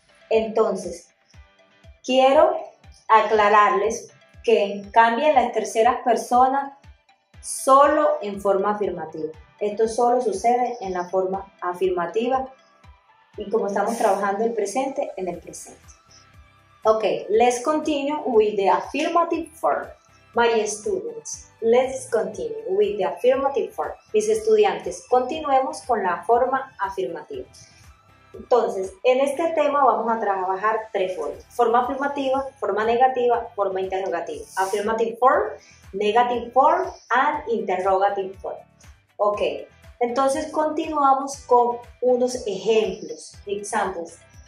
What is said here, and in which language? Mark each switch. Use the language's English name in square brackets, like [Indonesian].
[Spanish] Entonces, quiero aclararles que cambia en la tercera persona solo en forma afirmativa. Esto solo sucede en la forma afirmativa. Y como estamos trabajando el presente, en el presente. [English] Ok, let's continue with the affirmative form. My students, let's continue with the affirmative form. [Spanish] Mis estudiantes, continuemos con la forma afirmativa. Entonces, en este tema vamos a trabajar tres formas. Forma afirmativa, forma negativa, forma interrogativa. [English] Affirmative form, negative form, and interrogative form. Ok. [Spanish] Entonces, continuamos con unos ejemplos. Examples.